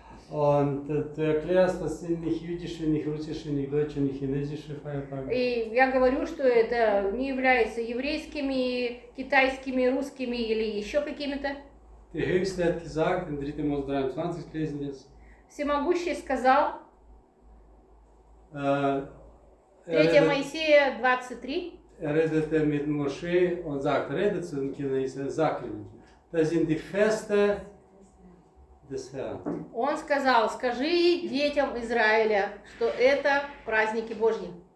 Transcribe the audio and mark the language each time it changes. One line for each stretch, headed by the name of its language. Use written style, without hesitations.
German: Und du erklärst, das sind nicht jüdische, nicht russische, nicht deutsche, nicht chinesische Feiertage.
Russian: И я говорю, что это не являются еврейскими, китайскими, русскими или еще какими-то.
German: Der Höchste hat gesagt, in 3. Mose 23 lesen wir es.
Russian: Всемогущий сказал. 3. Моисея 23.
German: Er redete mit Moshe und sagt, redet zu den Kindern Israel, sagt ihnen, das sind die Feste.
Russian: Он сказал, скажи детям Израиля, что это праздники Божьи.